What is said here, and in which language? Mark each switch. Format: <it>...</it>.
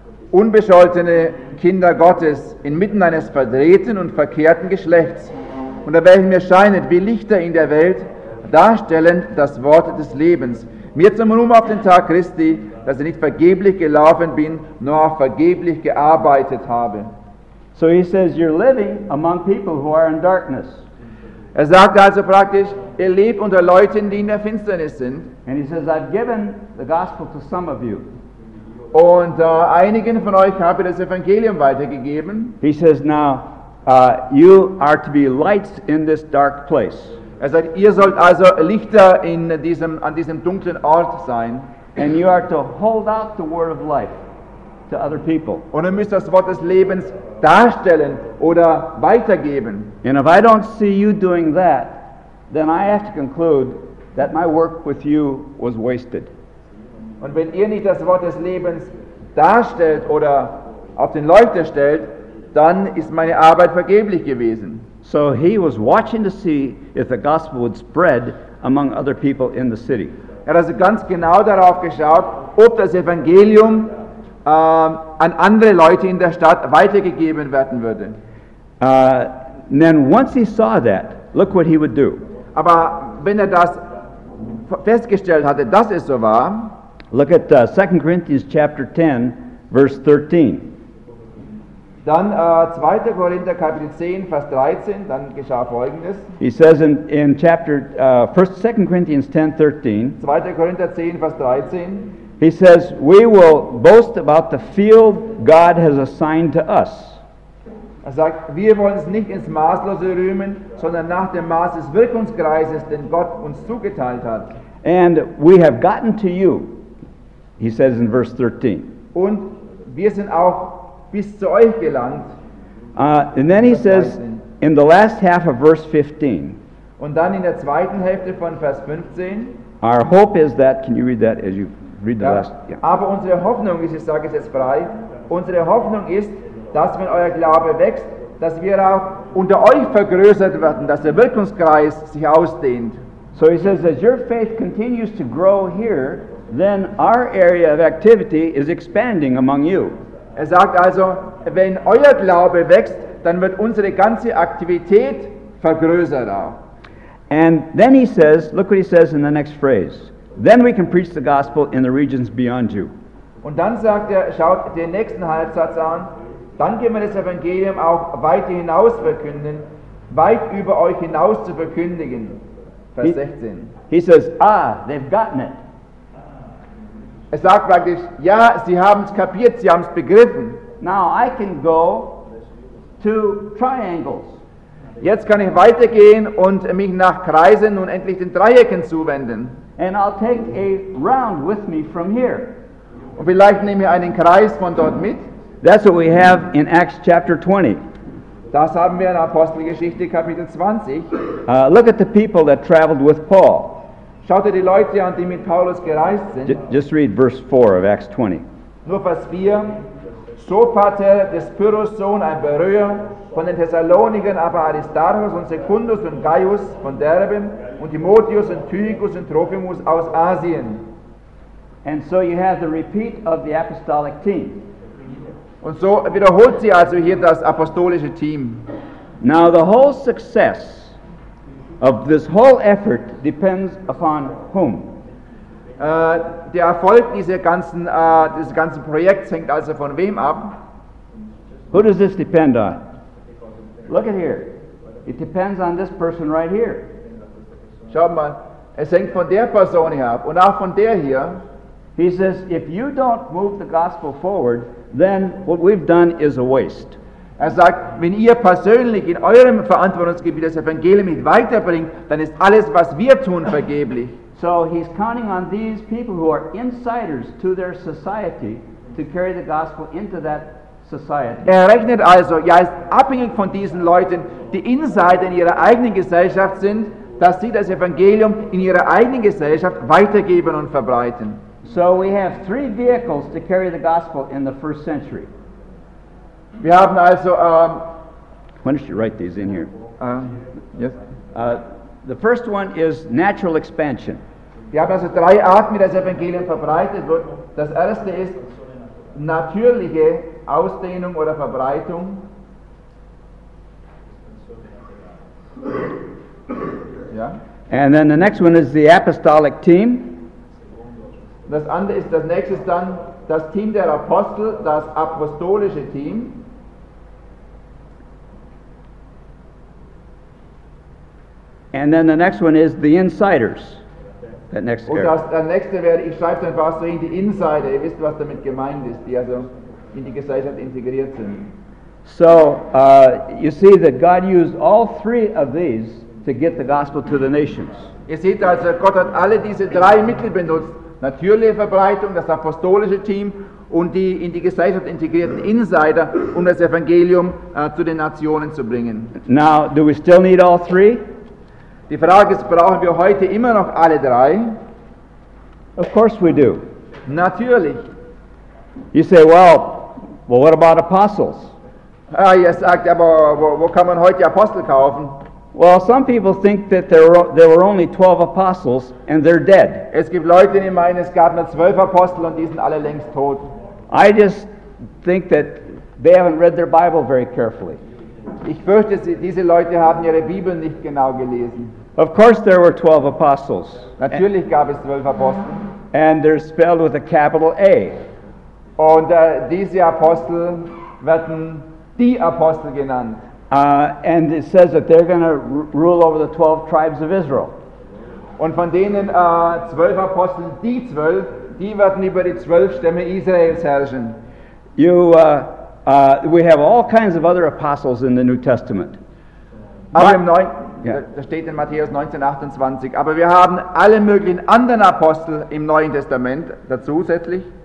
<de>Unbescholtene Kinder Gottes, inmitten eines verdrehten und verkehrten Geschlechts, unter welchem ihr scheinet wie Lichter in der Welt, darstellend das Wort des Lebens, mir zum Ruhm auf den Tag Christi, dass ich nicht vergeblich gelaufen bin, nur auch vergeblich gearbeitet habe.</de> <en>So he says, you're living among people who are in darkness.</en> <de>Er sagt also praktisch, ihr lebt unter Leuten, die in der Finsternis sind.</de> <en>And he says, I've given the gospel to some of you.</en> <de>Und einigen von euch habe ich das Evangelium weitergegeben.</de> <en>He says, now, you are to be lights in this dark place.</en> <de>Er sagt, ihr sollt also Lichter in diesem, an diesem dunklen Ort sein.</de> <en>And you are to hold out the word of life to other people.</en> <de>Und ihr müsst das Wort des Lebens darstellen oder weitergeben.</de> <en>And if I don't see you doing that, then I have to conclude that my work with you was wasted.</en> <de>Und wenn ihr nicht das Wort des Lebens darstellt oder auf den Leuchter stellt, dann ist meine Arbeit vergeblich gewesen.</de> <en>So he was watching to see if the gospel would spread among other people in the city.</en> <de>Er hat also ganz genau darauf geschaut, ob das Evangelium an andere Leute in der Stadt weitergegeben werden würde.</de> <en>Then once he saw that, look what he would do.</en> <de>Aber wenn er das festgestellt hatte, dass es so war,</de> <en>look at 2 Corinthians chapter 10, verse 13.</en> <de>Dann 2. Korinther Kapitel 10, Vers 13, dann geschah Folgendes.</de> <en>He says in chapter 2 Corinthians 10, 13.</en> <de>2. Korinther 10, Vers 13.</de> <en>He says, we will boast about the field God has assigned to us.</en> <de>Er sagt, wir wollen es nicht ins Maßlose rühmen, sondern nach dem Maß des Wirkungskreises, den Gott uns zugeteilt hat.</de> <en>And we have gotten to you, he says in verse 13.</en> <de>Und wir sind auch bis zu euch gelangt.</de> <en>And then he says in the last half of verse 15.</en> <de>Und dann in der zweiten Hälfte von Vers 15.</de> <en>Our hope is that, can you read that as you read the last? Yeah.</en> <de>Aber unsere Hoffnung ist, ich sage es jetzt frei, unsere Hoffnung ist, dass wenn euer Glaube wächst, dass wir auch unter euch vergrößert werden, dass der Wirkungskreis sich ausdehnt.</de> <en>So he says, as your faith continues to grow here, then our area of activity is expanding among you.</en> <de>Er sagt also, wenn euer Glaube wächst, dann wird unsere ganze Aktivität vergrößert auch.</de> <en>And then he says, look what he says in the next phrase. Then we can preach the gospel in the regions beyond you.</en> <de>Und dann sagt er, schaut den nächsten Halbsatz an, dann können wir das Evangelium auch weit hinaus verkünden, weit über euch hinaus zu verkündigen. Vers 16.</de> <en>He says, ah, they've gotten it.</en> <de>Er sagt praktisch, ja, sie haben es kapiert, sie haben es begriffen.</de> <en>Now I can go to triangles.</en> <de>Jetzt kann ich weitergehen und mich nach Kreisen und endlich den Dreiecken zuwenden.</de> <en>And I'll take a round with me from here.</en> <de>Und vielleicht nehme ich einen Kreis von dort mit.</de> <en>That's what we have in Acts chapter 20.</en> <de>Das haben wir in Apostelgeschichte Kapitel 20.</de> <en>Look at the people that traveled with Paul.</en> <de>Schaut dir die Leute an, die mit Paulus gereist sind.</de> <en>Just read verse 4 of Acts 20.</en> <de>Nur Vers 4. So fatte des Pyrrhus Sohn ein Beröer, von den Thessalonikern aber Aristarchus und Secundus und Gaius von Derben und Timotheus und Tychicus und Trophimus aus Asien.</de> <en>And so you have the repeat of the apostolic team.</en> <de>Und so wiederholt sie also hier das apostolische Team.</de> <en>Now the whole success of this whole effort depends upon whom?</en> <de>Der Erfolg dieses ganzen Projekts hängt also von wem ab?</de> <en>Who does this depend on? Look at here. It depends on this person right here.</en> <de>Schaut mal, es hängt von der Person hier ab und auch von der hier.</de> <en>He says, if you don't move the gospel forward, then what we've done is a waste.</en> <de>Er sagt, wenn ihr persönlich in eurem Verantwortungsgebiet das Evangelium nicht weiterbringt, dann ist alles, was wir tun, vergeblich.</de> <en>So he's counting on these people who are insiders to their society to carry the gospel into that society.</en> <de>Er rechnet also, ja, ist abhängig von diesen Leuten, die Insider in ihrer eigenen Gesellschaft sind, dass sie das Evangelium in ihrer eigenen Gesellschaft weitergeben und verbreiten.</de> <en>So we have three vehicles to carry the gospel in the first century.</en> <de>Wir haben also,</de> <en>why don't you write these in here? Yes. The first one is natural expansion.</en> <de>Wir haben also drei Arten, wie das Evangelium verbreitet wird. Das erste ist natürliche Ausdehnung oder Verbreitung.</de> <en>And then the next one is the apostolic team.</en> <de>Das andere ist, das nächste ist dann das Team der Apostel, das apostolische Team.</de> <en>And then the next one is the insiders. That next</en> <de>Und das, der nächste wäre, ich schreibe dann fast so in die Insider, ihr wisst, was damit gemeint ist, die also in die Gesellschaft integriert sind.</de> <en>So, you see that God used all three of these to get the gospel to the nations.</en> <de>Ihr seht also, Gott hat alle diese drei Mittel benutzt. Natürliche Verbreitung, das apostolische Team und die in die Gesellschaft integrierten Insider, um das Evangelium zu den Nationen zu bringen.</de> <en>Now, do we still need all three?</en> <de>Die Frage ist, brauchen wir heute immer noch alle drei?</de> <en>Of course we do.</en> <de>Natürlich.</de> <en>You say, well, what about apostles?</en> <de>Ah, ihr sagt, aber wo kann man heute Apostel kaufen?</de> <en>Well, some people think that there were only 12 apostles and they're dead.</en> <de>Es gibt Leute, die meinen, es gab nur 12 Apostel und die sind alle längst tot.</de> <en>I just think that they haven't read their Bible very carefully.</en> <de>Ich fürchte, diese Leute haben ihre Bibel nicht genau gelesen.</de> <en>Of course there were 12 apostles.</en> <de>Natürlich gab es 12 Apostel.</de> <en>And they're spelled with a capital A.</en> <de>Und diese Apostel werden die Apostel genannt.</de> <en>And it says that they're going to rule over the 12 tribes of Israel.</en> <de>Und von denen 12 Apostel, die 12, die werden über die 12 Stämme Israels herrschen.</de> <en>We have all kinds of other apostles in the New Testament.</en> <de>Aber im Neuen, da steht in Matthäus 19:28, aber wir haben alle möglichen anderen Apostel im Neuen Testament dazusätzlich.</de>